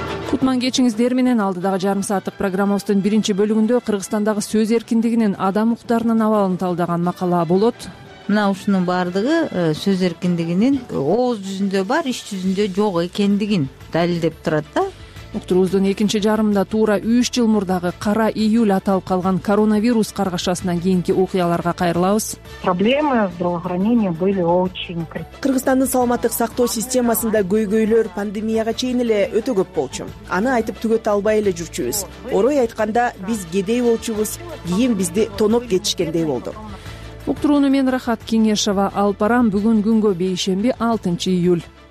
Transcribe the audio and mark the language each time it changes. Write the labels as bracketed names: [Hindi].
[Kyrgyz] Кутман кечиңиздер менен, алдыдагы жарым сааттык программабыздын биринчи бөлүгүндө Кыргызстандагы сөз эркиндигинин адам укуктарынын абалын талдаган макала болот. Мына ушунун баардыгы сөз эркиндигинин ооз жүзүндө бар, иш жүзүндө жок экендигин далилдеп турат да. Уктуруубуздун экинчи жарымында туура 3 жыл мурдагы кара июль аталып калган коронавирус каргашасынан кийинки окуяларга кайрылабыз. [Russian] Проблемы здравоохранения были очень критичны. [Kyrgyz] Кыргызстандын саламаттык сактоо системасында көйгөйлөр пандемияга чейин эле өтө көп болчу. Аны айтып түгөтө албай эле жүрчүбүз. Орой айтканда биз кедей болчубуз, кийин бизди тоноп кетишкендей болду. Уктурууну мен Рахат Кеңешова алып барам. Бүгүн күнгө бейшемби 6 июль.